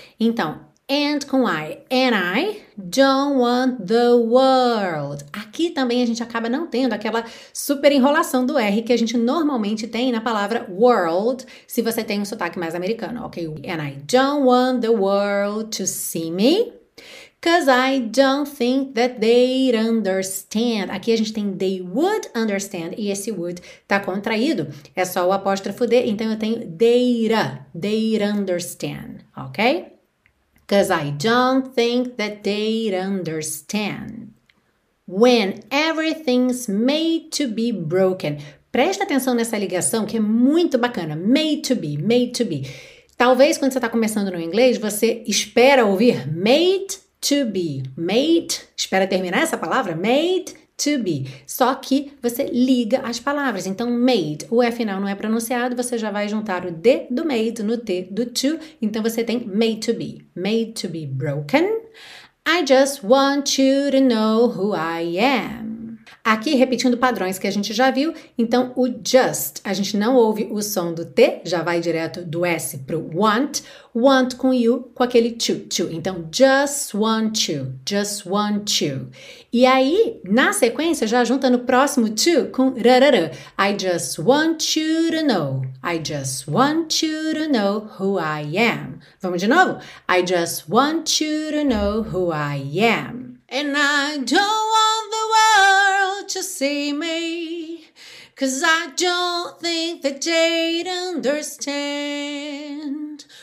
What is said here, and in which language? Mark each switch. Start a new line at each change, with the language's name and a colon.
English: Então, and com I, and I don't want the world.
Portuguese: Aqui também a gente acaba não tendo aquela super enrolação do R que a gente normalmente tem na palavra world, se você tem um sotaque mais americano, ok?
English: And I don't want the world to see me, 'cause I don't think that they'd understand.
Portuguese: Aqui a gente tem they would understand, e esse would tá contraído, é só o apóstrofo D, então eu tenho they'd understand, ok?
English: 'Cause I don't think that they'd understand. When everything's made to be broken.
Portuguese: Presta atenção nessa ligação que é muito bacana. Made to be. Talvez quando você está começando no inglês, você espera ouvir made to be. Made, espera terminar essa palavra, made to be. Só que você liga as palavras. Então, made, o E final não é pronunciado, você já vai juntar o D do made no T do to. Então, você tem made to be.
English: Made to be broken. I just want you to know who I am.
Portuguese: Aqui, repetindo padrões que a gente já viu. Então, o just, a gente não ouve o som do T, já vai direto do S pro want. Want com you, com aquele to. Então, just want you. E aí, na sequência, já junta no próximo to com rarara.
English: I just want you to know. I just want you to know who I am.
Portuguese: Vamos de novo?
English: I just want you to know who I am. And I don't want the world to see me, 'cause I don't think that they'd understand.